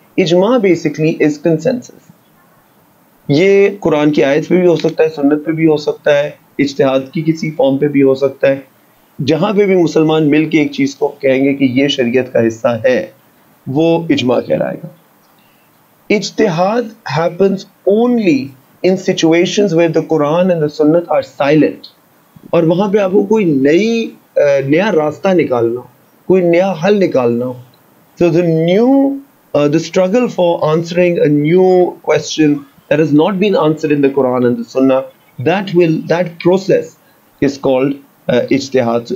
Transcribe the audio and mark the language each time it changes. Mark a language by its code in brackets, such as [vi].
[hi] इज्मा [en] Basically is consensus. [hi] ये कुरान की आयत पे भी हो सकता है, सुन्नत पे भी हो सकता है, इज्तिहाद की किसी फॉर्म पे भी हो सकता है. जहां पे भी मुसलमान मिलके एक चीज को कहेंगे कि ये शरीयत का हिस्सा है वो इज्मा कहलाएगा. [en] इज्तिहाद happens only in situations where the Quran and the Sunnah are silent. [hi] और वहाँ पे आपको कोई नया रास्ता निकालना, कोई नया हल निकालना. [en] So the struggle for answering a new question that has not been answered in the Quran and the Sunnah, that process is called ijtihad.